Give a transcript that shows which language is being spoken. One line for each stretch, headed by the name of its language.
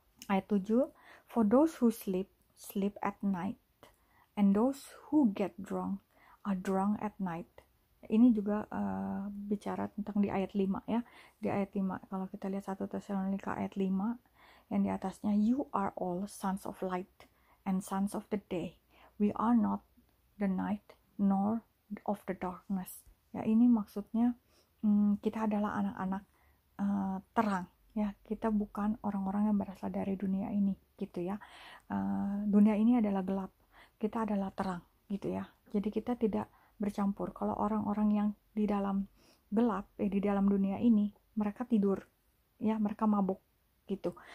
English: Ayat 7, for those who sleep at night, and those who get drunk are drunk at night.
Indonesian: Ini juga bicara tentang di ayat 5 ya. Di ayat 5 kalau kita lihat 1 Tesalonika ayat 5 yang di atasnya,
English: you are all sons of light and sons of the day. We are not the night nor of the darkness.
Indonesian: Ya, ini maksudnya kita adalah anak-anak terang ya. Kita bukan orang-orang yang berasal dari dunia ini gitu ya. Dunia ini adalah gelap. Kita adalah terang gitu ya. Jadi kita tidak bercampur. Kalau orang-orang yang di dalam gelap, di dalam dunia ini, mereka tidur ya, mereka mabuk gitu.